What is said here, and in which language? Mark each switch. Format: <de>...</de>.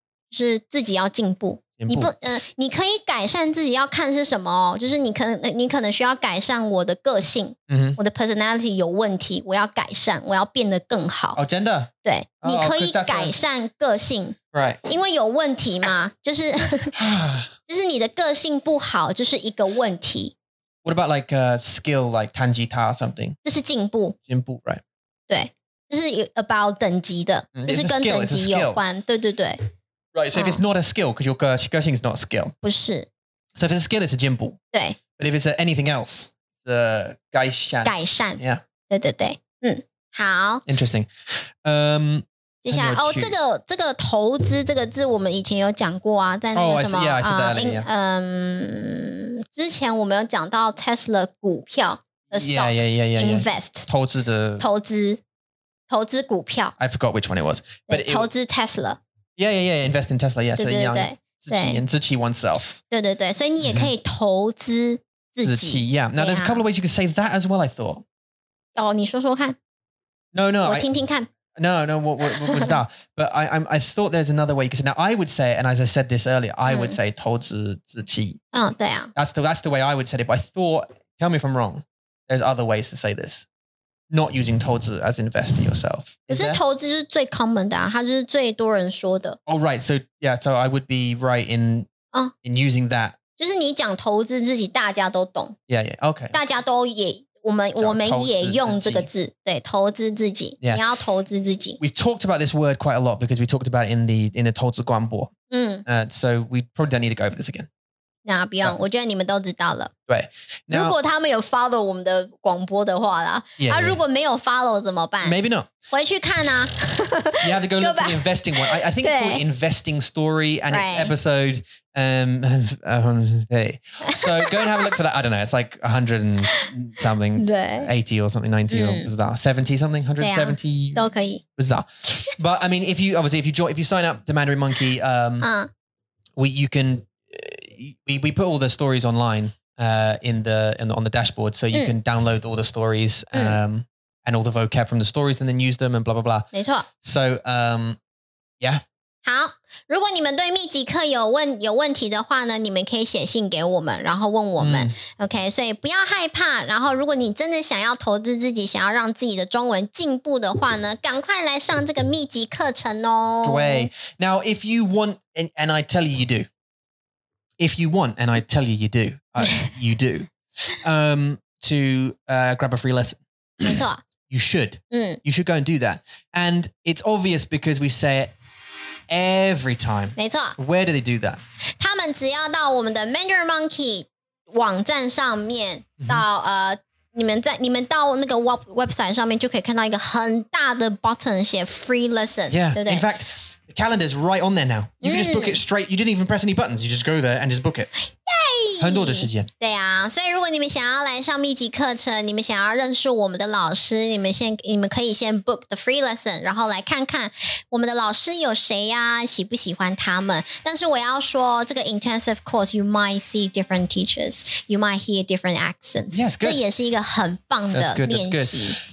<zh>是自己要进步你不你可以改善自己要看是什么哦就是你可能需要改善我的个性、 mm-hmm. 我的 personality 有问题我要改善我要变得更好哦、oh, 真的对、oh, 你可以改善个性</zh> <en>right</en> <zh>因为有问题嘛就是就是你的个性不好就是一个问题</zh> <en>What about like a skill like</en> <zh>弹吉他</zh> <en>or something?</en> <zh>这是进步。进步 right? 对，这是 about 等级的，这是跟等级有关。对对对。</zh> <en>Right, so if it's not a skill, because your cursing is not a skill.</en> <zh>不是。</zh> <en>So if it's a skill, it's a 进步。</en> <zh>对。</zh> <en>But if it's anything else, it's a 改善。</en> <zh>改善。</zh> <en>Yeah.</en> <zh>对对对，嗯，好。</zh> <en>Interesting.</en> <zh>接下来哦，这个投资这个字，我们以前有讲过啊，在那个什么啊，嗯，之前我们有讲到 Tesla 股票的</zh> <en>stock invest</en> <zh>投资的投资股票。</zh> <en>I forgot which one it was, but</en> <zh>投资 Tesla.</zh> <en>Yeah, yeah, yeah. Invest in Tesla. Yeah,</en> <zh>对对对，自欺oneself. 对对对，所以你也可以投资自己。自欺 yeah.</zh> <en>Now there's a couple of ways you could say that as well. I thought.</en> <zh>哦，你说说看。</zh> <en>No, no.</en> <zh>我听听看。</zh> <en>No, what's that? But I thought there's another way. Because now I would say, and as I said this earlier, I would say</en> <zh>投资自己。嗯，对啊。</zh> <en>That's the way I would say it. But I thought, tell me if I'm wrong, there's other ways to say this. Not using 投资 as invest in yourself.</en> <zh>可是投资是最 common 的啊，它就是最多人说的。</zh> <en>Oh, right. So, yeah, so I would be right in using that.</en> <zh>就是你讲投资自己大家都懂。</zh> <en>Yeah, yeah, okay.</en> <zh>大家都也。我们也用这个字，对，投资自己，</zh> <en>yeah.</en> <zh>你要投资自己。</zh> <en>We've talked about this word quite a lot because we talked about it in the 投资广播。嗯。 So we probably don't need to go over this again.</en> <zh>那不用，我觉得你们都知道了。对。 Now, 如果他们有 follow 我们的广播的话啦，</zh> <en>yeah, yeah.</en> <zh>如果没有 follow 怎么办</zh> <en>？Maybe not.</en> <zh>回去看啊。</zh> <en>You have to go look for the investing one. I think it's called investing story, and it's episode. Hey. So go and have a look for that. I don't know. It's like 100 and something, 80 or something, 90 or was that 70 something, 170.</en> <zh>都可以.</zh> <en>But I mean, if you sign up to Mandarin Monkey, we put all the stories online, in the dashboard, so you can download all the stories, and all the vocab from the stories, and then use them and blah blah blah.</en> <zh>没错.</zh> <en>So yeah.</en> <zh>好，如果你们对密集课有问题的话呢，你们可以写信给我们，然后问我们。 OK， 所以不要害怕。然后，如果你真的想要投资自己，想要让自己的中文进步的话呢，赶快来上这个密集课程哦。</zh> <en>对 ，Now if you want and I tell you you do, if you want and I tell you you do, you do, to grab a free lesson.</en> <zh>没错。</zh> <en>You should. You should go and do that. And it's obvious because we say it. Every time.</en> <zh>没错。</zh> <en>Where do they do that?</en> <zh>他们只要到我们的 Mandarin Monkey 网站上面、mm-hmm. 到你们到那个 website 上面就可以看到一个很大的 button 写 free lesson.</zh> <en>Yeah.</en> <zh>对不对?</zh> <en>In fact, the calendar is right on there now. You can just book it straight. You didn't even press any buttons. You just go there and just book it. Yay!</en> <zh>很多的时间。对啊。所以如果你们想要来上密集课程你们想要认识我们的老师你们可以先</zh> <en>book the free lesson,</en> <zh>然后来看看我们的老师有谁呀、啊？喜不喜欢他们？但是我要说，这个</zh> <en>intensive course you might see different teachers, you might hear different accents. Yes, good.</en> <zh>这也是一个很棒的练习。</zh>